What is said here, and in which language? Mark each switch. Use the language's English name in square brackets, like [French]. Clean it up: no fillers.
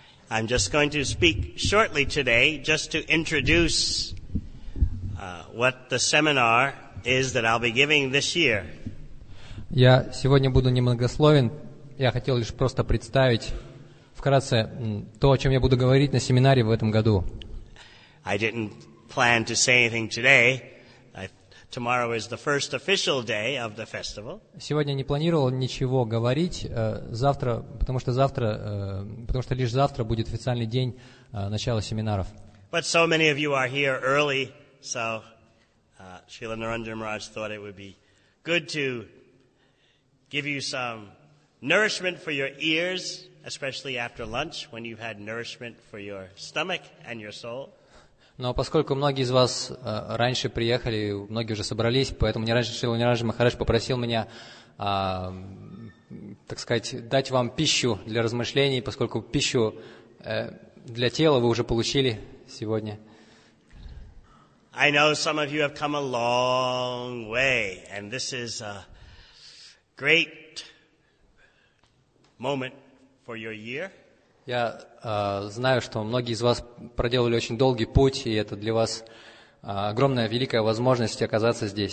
[English] I'm just going to speak shortly today just to introduce what the seminar is that I'll be giving this year. [Russian] Я сегодня буду немногословен. Я хотел лишь просто представить вкратце то, о чем я буду говорить на семинаре в этом году. [English] I didn't plan to say anything today. Tomorrow is the first official day of the festival. [Russian] Сегодня не планировал ничего говорить завтра, потому что лишь завтра будет официальный день начала семинаров. [English] But so many of you are here early, so Srila Narendra Maharaj thought it would be good to give you some nourishment for your ears, especially after lunch when you've had nourishment for your stomach and your soul. [Russian] Но поскольку многие из вас раньше приехали, многие уже собрались, поэтому Нираджа Махарадж попросил меня, так сказать, дать вам пищу для размышлений, поскольку пищу для тела вы уже получили сегодня. [English] I know some of you have come a long way, and this is a great moment for your year. [Russian] Я знаю, что многие из вас проделали очень долгий путь, и это для вас огромная, великая возможность оказаться